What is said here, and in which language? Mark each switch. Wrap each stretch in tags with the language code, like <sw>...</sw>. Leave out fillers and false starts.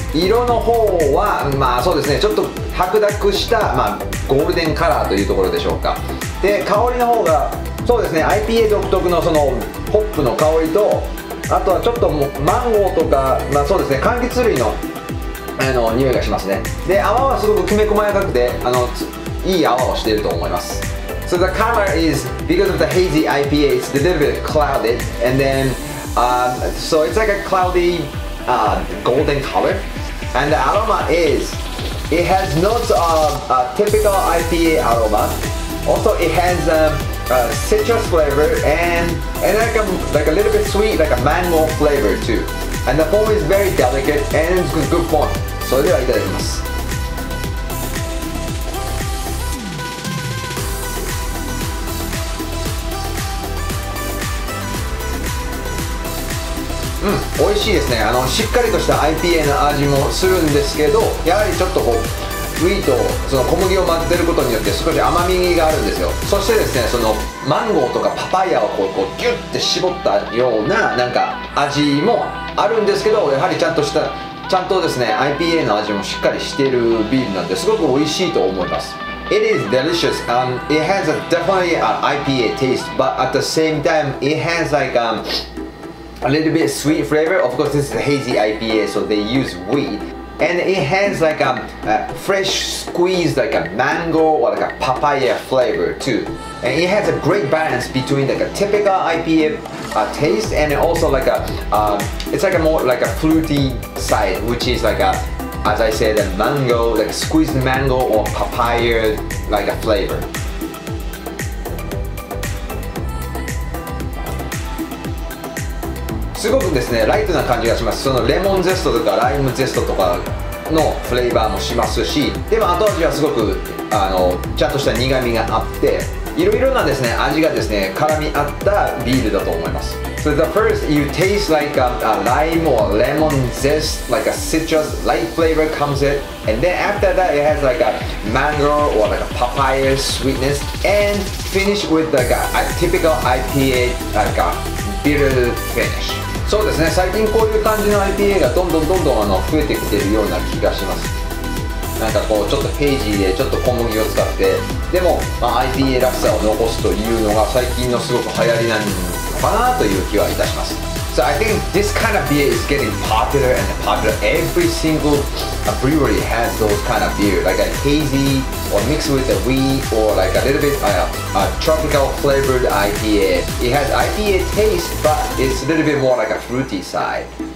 <ja>色の方はまあそうですね、ちょっと白濁した、まあゴールデンカラーというところでしょうか。で香りの方がそうですね、 IPA 独特のそのホップの香りと、あとはちょっともうマンゴーとか、まあそうですね、柑橘類の匂いがしますね。で泡はすごくきめ細やかくて、いい泡をしていると思います。</ja> <en>So the color is because of the hazy IPA, it's a little bit cloudy, and then so it's like a cloudy golden color, and the aroma isIt has notes of a typical IPA aroma. Also, it has a citrus flavor and like a little bit sweet, like a mango flavor too. And the foam is very delicate and it's good foam.</en> <ja>So, ではいただきます。うん、美味しいですね。しっかりとした IPA の味もするんですけど、やはりちょっとこうウィートその小麦を混ぜてることによって少し甘みがあるんですよ。そしてですね、そのマンゴーとかパパイヤをこうギュッて絞ったようななんか味もあるんですけど、やはりちゃんとですね、 IPA の味もしっかりしているビールなんで、すごく美味しいと思います。</ja> <en>It is delicious. It has a definitely an IPA taste, but at the same time it has like a little bit sweet flavor. Of course, this is a hazy IPA, so they use wheat. And it has like a fresh squeezed like a mango or like a papaya flavor too. And it has a great balance between like a typical IPA taste and also like a, it's like a more like a fruity side, which is like a, as I said, a mango, like squeezed mango or papaya like a flavor.</en> <ja>すごくですね、ライトな感じがします。そのレモンゼストとかライムゼストとかのフレーバーもしますし、でも後味はすごくちゃんとした苦みがあって、いろいろなですね、味がですね、絡み合ったビールだと思います。</ja> <en>So the first, you taste like a lime or lemon zest, like a citrus light flavor comes in, and then after that it has like a mango or like a papaya sweetness, and finish with like a typical IPA like aビルフィニッシュ。</en> <ja>そうですね、最近こういう感じの IPA がどんどんどんどん増えてきてるような気がします。なんかこうちょっとヘイジーでちょっと小麦を使って、でも、まあ、IPA らしさを残すというのが最近のすごく流行りなのかなという気はいたします。</ja> <en>So I think this kind of beer is getting popular and popular. Every single brewery has those kind of beer, like a hazy or mixed with a wheat or like a little bit a tropical flavored IPA. It has IPA taste, but it's a little bit more like a fruity side.</en>